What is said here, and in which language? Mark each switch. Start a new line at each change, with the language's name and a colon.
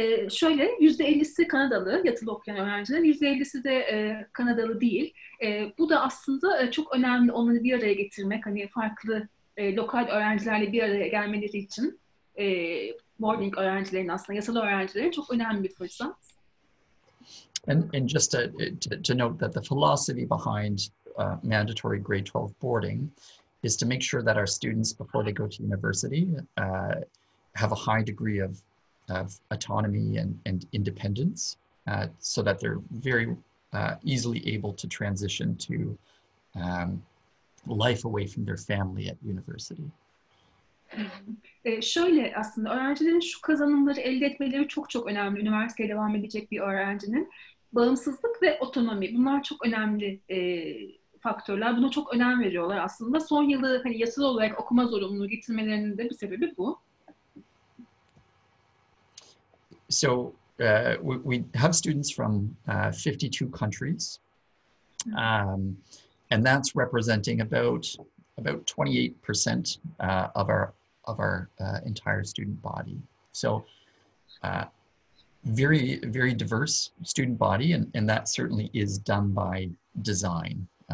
Turkish: Şöyle, %50'si Kanadalı, yatılı okuyan öğrenciler, %50'si de Kanadalı değil. Bu da aslında çok önemli, onları bir araya getirmek, hani farklı lokal öğrencilerle bir araya gelmeleri için boarding öğrencilerin aslında, yatılı öğrencilerin çok önemli bir fırsat.
English: And just to note that the philosophy behind mandatory grade 12 boarding is to make sure that our students, before they go to university, have a high degree of autonomy and independence, so that they're very easily able to transition to life away from their family at university.
Turkish: Şöyle aslında öğrencilerin şu kazanımları elde etmeleri çok çok önemli. Üniversiteye devam edecek bir öğrencinin bağımsızlık ve otonomi. Bunlar çok önemli faktörler. Buna çok önem veriyorlar aslında. Son yılı hani yatılı olarak okuma zorunluluğu getirmelerinin de bir sebebi bu.
English: So we have students from 52 countries, and that's representing about 28% of our entire student body. So very, very diverse student body, and that certainly is done by design.